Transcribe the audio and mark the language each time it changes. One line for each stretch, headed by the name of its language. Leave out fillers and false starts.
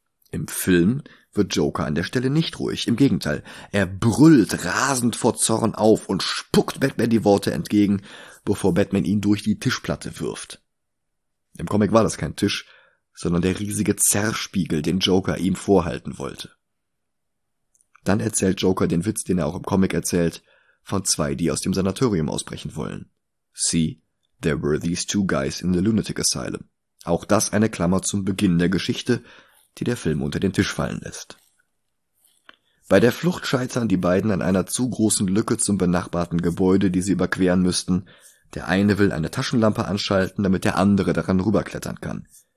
German: Im Film wird Joker an der Stelle nicht ruhig, im Gegenteil, er brüllt rasend vor Zorn auf und spuckt Batman die Worte entgegen, bevor Batman ihn durch die Tischplatte wirft. Im Comic war das kein Tisch, sondern der riesige Zerrspiegel, den Joker ihm vorhalten wollte. Dann erzählt Joker den Witz, den er auch im Comic erzählt, von zwei, die aus dem Sanatorium ausbrechen wollen.
English: See, there were these two guys in the lunatic asylum.
German: Auch das eine Klammer zum Beginn der Geschichte, die der Film unter den Tisch fallen lässt. Bei der Flucht scheitern die beiden an einer zu großen Lücke zum benachbarten Gebäude, die sie überqueren müssten. Der eine will eine Taschenlampe anschalten, damit der andere daran rüberklettern kann.